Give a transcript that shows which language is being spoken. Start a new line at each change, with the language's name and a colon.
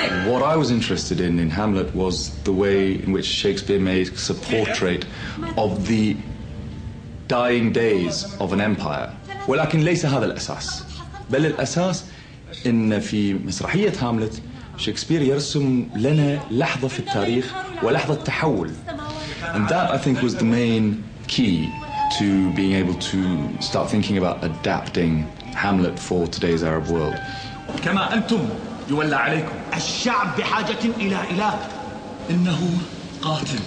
English: What I was interested in Hamlet was the way in which Shakespeare makes a portrait of the dying days of an empire
Arabic: ولكن ليس هذا الأساس بل الأساس إن في مسرحية هاملت Shakespeare يرسم لنا لحظة في التاريخ ولحظة تحول.
English: And that, I think, was the main key to being able to start thinking about adapting Hamlet for today's Arab world.
Arabic: كما أنتم يولى عليكم الشعب بحاجة إلى إله إنه قاتل